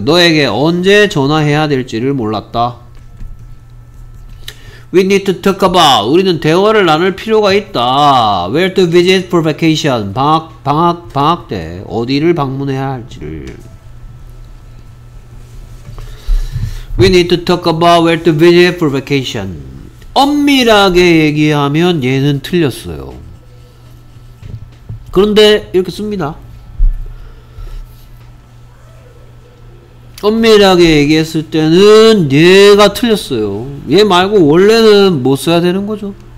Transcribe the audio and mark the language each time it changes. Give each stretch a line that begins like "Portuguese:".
Korean: 너에게 언제 전화해야 될지를 몰랐다.
English: We need to talk about.
Korean: 우리는 대화를 나눌 필요가 있다.
English: Where to visit for vacation.
Korean: 방학 때 어디를 방문해야 할지를.
English: We need to talk about where to visit for vacation.
Korean: 엄밀하게 얘기하면 얘는 틀렸어요. 그런데 이렇게 씁니다. 엄밀하게 얘기했을 때는 얘가 틀렸어요. 얘 말고 원래는 뭐 써야 되는 거죠?